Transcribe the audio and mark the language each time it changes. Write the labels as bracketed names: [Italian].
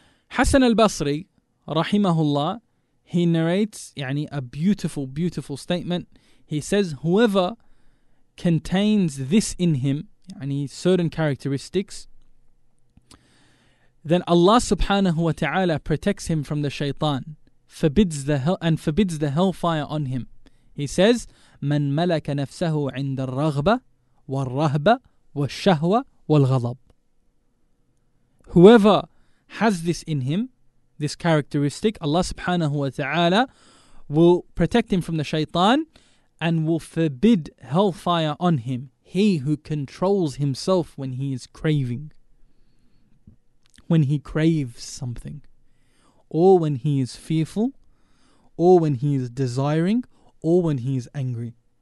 [English] Hassan al-Basri, rahimahullah, he narrates يعني, a beautiful, beautiful statement. He says, whoever contains this in him, يعني, certain characteristics, then Allah subhanahu wa ta'ala protects him from the shaytan, forbids the hellfire on him. He says, [Arabic] من ملك نفسه عند الرغبة والرهبة والشهوة والغضب. [English] Whoever has this in him, this characteristic, Allah subhanahu wa ta'ala will protect him from the shaytan and will forbid hellfire on him. He who controls himself when he is craving, when he craves something, or when he is fearful, or when he is desiring, or when he is angry.